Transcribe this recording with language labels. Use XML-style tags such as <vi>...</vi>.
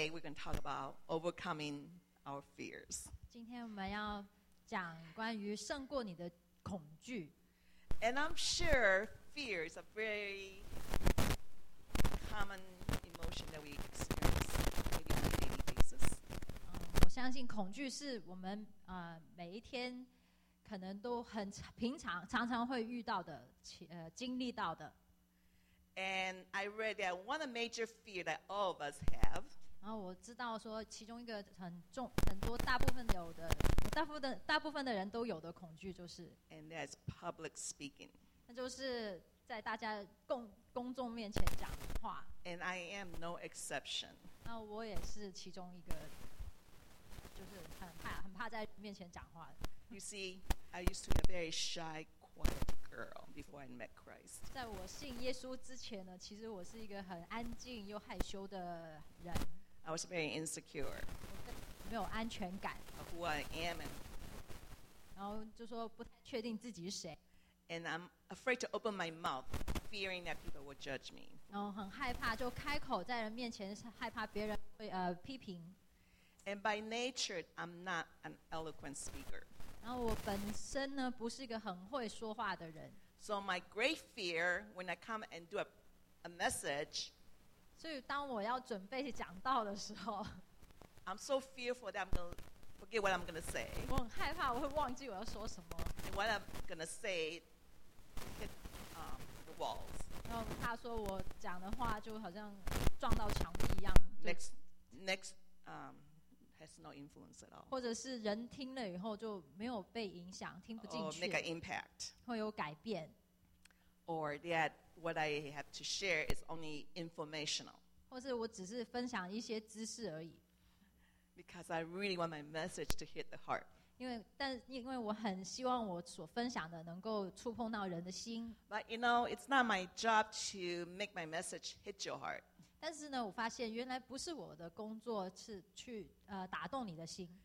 <en>we're going to talk about overcoming our fears.</en> <zh>今天我们要讲关于胜过你的恐惧。</zh> <en>And I'm sure fear is a very common emotion that we experience maybe on a daily basis.</en> <zh>我相信恐惧是我们每一天可能都很平常常常会遇到的经历到的。</zh> <en>And I read that one of the major fears that all of us have.</en> <zh>然后我知道说其中一个很重很多大部分有的大部分的人都有的恐惧就是</zh> <en>And that's public speaking.</en> <zh>那就是在大家公众面前讲话。</zh> <en>And I am no exception.</en> <zh>那我也是其中一个就是很怕在面前讲话。</zh> <en>You see, I used to be a very shy, quiet girl before I met Christ.</en> <zh>在我信耶稣之前呢，其实我是一个很安静又害羞的人。</zh> <en>I was very insecure.</en> <zh>我没有安全感。</zh> <en>Of who I am.</en> <zh>然后就说不太确定自己是谁。</zh> <en>And I'm afraid to open my mouth, fearing that people will judge me.</en> <zh>然后很害怕就开口在人面前，害怕别人会批评。</zh> <en>And by nature, I'm not an eloquent speaker.</en> <zh>然后我本身呢，不是一个很会说话的人。</zh> <en>So my great fear when I come and do a message.</en> <zh>所以当我要准备讲道的时候</zh> <en>，I'm so fearful that I'm going to forget what I'm going to say.</en> <zh>我很害怕我会忘记我要说什么。</zh> <en>And what I'm going to say hit the walls.</en> <zh>然后怕说我讲的话就好像撞到墙壁一样。</zh> <en>Next. Has no influence at all.</en> <zh>或者是人听了以后就没有被影响，听不进去。</zh> <en>Or make an impact.</en> <zh>会有改变。</zh> <en>Or that what I have to share is only informational.</en> <zh>或是我只是分享一些知识而已。</zh> <en>Because I really want my message to hit the heart.</en> <zh>因为我很希望我所分享的能够触碰到人的心。</zh> <en>But you know, it's not my job to make my message hit your heart.</en> <zh>但是呢，我发现原来不是我的工作是去打动你的心。</zh>